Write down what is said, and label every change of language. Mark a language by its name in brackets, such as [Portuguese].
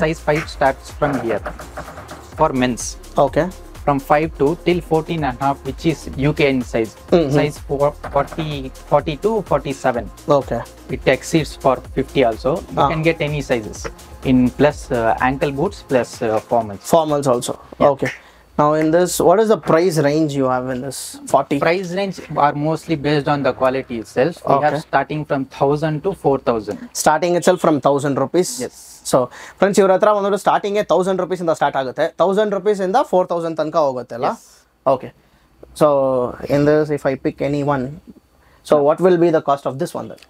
[English] Size 5 starts from here for men's. Okay. From 5 to 14.5, which is U K in size. Size 40, 42, 47. Okay. It exceeds for 50 also. You can get any sizes in plus ankle boots plus formals. Formals also. Okay. Now in this, what is the price range you have in this 40? Price range are mostly based on the quality itself. We okay. have starting from 1,000 to 4,000. Starting itself from 1,000 rupees. Yes. [Kannada] So friends, ಇವ್ರ ಹತ್ರ ಒಂದೊಂದು starting 1,000 rupees ಇಂದ start ಆಗುತ್ತೆ. 1,000 rupees ಇಂದ 4,000 ತನಕ ಹೋಗುತ್ತೆ ಅಲ್ಲ. Okay. [English] So in this, if I pick any one, so what will be the cost of this one?